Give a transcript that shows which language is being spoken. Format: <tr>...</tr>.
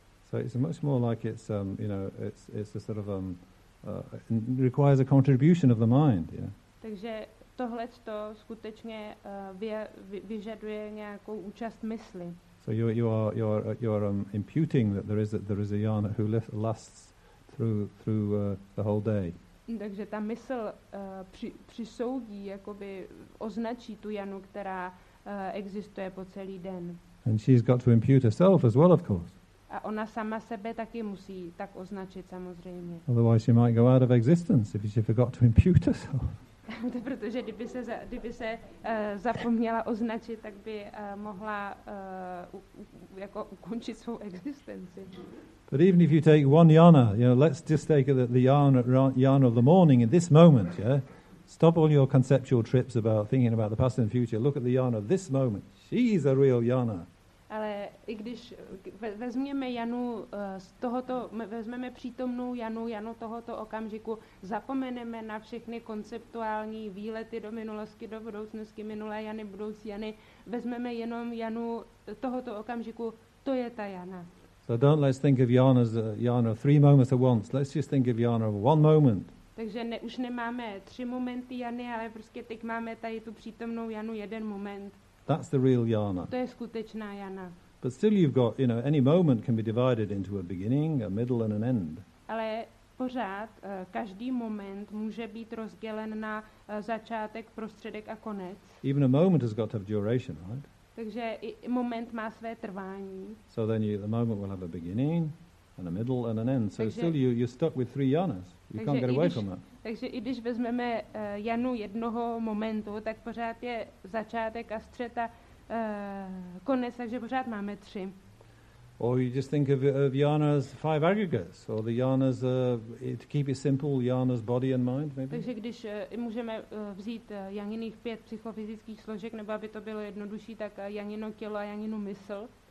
<en>So it's much more like it's a sort of requires a contribution of the mind, yeah.</en> <cs>Takže tohle to skutečně vyžaduje nějakou účast mysli.</cs> <en>So you are imputing that there is a Jana who lasts through the whole day.</en> <cs>Takže ta mysl přisoudí, jakoby označí tu Janu, která existuje po celý den.</cs> <en>And she's got to impute herself as well, of course.</en> <cs>A ona sama sebe taky musí tak označit, samozřejmě.</cs> <en>Otherwise she might go out of existence if she forgot to impute herself.</en> <cs>Protože kdyby se zapomněla označit, tak by mohla jako ukončit svou existenci.</cs> <en>But even if you take one Jana, let's just take the Jana of the morning in this moment, yeah? Stop all your conceptual trips about thinking about the past and future. Look at the Jana of this moment. She's a real Jana.</en> <cs>Ale I když vezměme Janu z tohoto, vezmeme přítomnou Janu tohoto okamžiku, zapomeneme na všechny konceptuální výlety do minulosti, do budoucnosti, minulé Jany, budoucí Jany, vezmeme jenom Janu tohoto okamžiku, to je ta Jana.</cs> <en>So don't let's think of Jana as Jana three moments at once. Let's just think of Jana one moment.</en> <cs>Takže už nemáme tři momenty Jany, ale prostě teď máme tady tu přítomnou Janu jeden moment.</cs> <en>That's the real Jana.</en> <cs>To je skutečná Jana.</cs> <en>But still you've got, you know, any moment can be divided into a beginning, a middle and an end.</en> <cs>Ale pořád každý moment může být rozdělen na začátek, prostředek a konec.</cs> <en>Even a moment has got to have duration, right?</en> <cs>Takže i moment má své trvání.</cs> <en>So then the moment will have a beginning and a middle and an end. So</en> <cs>takže,</cs> <en>still you're stuck with three Janas. You can't get away from that.</en> <cs>Takže i když vezmeme Janu jednoho momentu, tak pořád je začátek a střed a konec, takže pořád máme tři.</cs> <en>Or you just think of Jana's five aggregates, or the Jana's, to keep it simple, Jana's body and mind, maybe?</en> <cs>Takže když můžeme vzít Janiných pět psychofyzických složek, nebo aby to bylo jednodušší, tak Janino tělo a Janinu mysl.</cs>